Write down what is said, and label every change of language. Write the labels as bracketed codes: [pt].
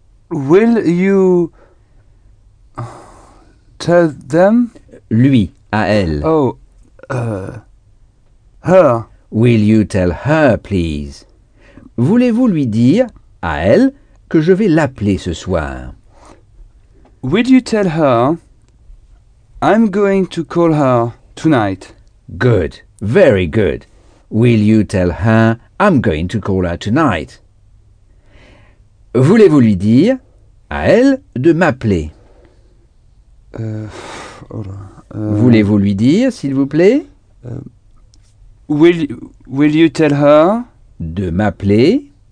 [en] Will you. Tell them? [fr] Lui, à elle. [en] Oh, her. Will you tell her, please? [fr] Voulez-vous lui dire, à elle, que je vais l'appeler ce soir? [en] Will you tell her I'm going to call her tonight? Good, very good. Will you tell her I'm going to call her tonight? [fr] Voulez-vous lui dire, à elle, de m'appeler? Voulez-vous lui dire, s'il vous plaît? [en] Will you tell her? [fr] De m'appeler?